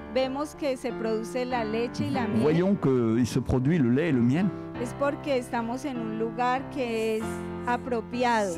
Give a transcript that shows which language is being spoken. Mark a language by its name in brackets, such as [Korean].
[Spanish] vemos que se produce la leche y la miel. [French] Voyons que il se produit le lait et le miel. [Spanish] Es porque estamos en un lugar que es apropiado.